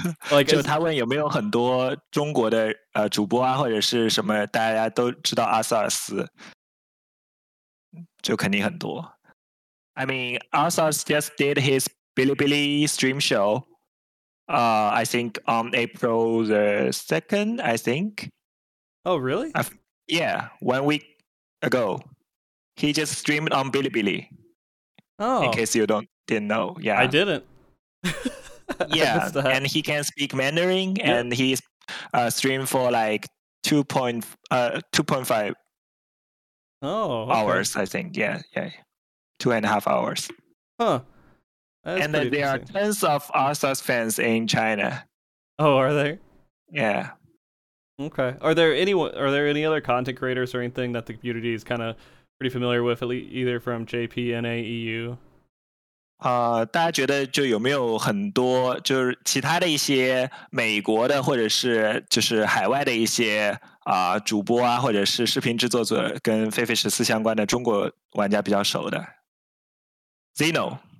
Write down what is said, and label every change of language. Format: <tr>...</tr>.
<zh>Like, 就他问有没有很多中国的主播啊，或者是什么，大家都知道阿萨尔斯，就肯定很多。</zh> <en>I mean, Arthas just did his Bilibili stream show. I think on April the 2nd, I think. Oh, really? Yeah, 1 week ago. He just streamed on Bilibili. Oh. In case you didn't know. Yeah. I didn't. Yeah, and he can speak Mandarin, yeah. And he's streamed for like 2.5 hours, I think. Yeah. 2.5 hours. Huh. And then there are tons of Arthas fans in China. Oh, are there? Yeah. Okay. Are there any other content creators or anything that the community is kind of pretty familiar with, either from JP, NA, EU?</en> <zh>大家觉得就有没有很多就是其他的一些美国的或者是就是海外的一些主播啊或者是视频制作者跟狒狒十四相关的中国玩家比较熟的 ?Zeno?</zh>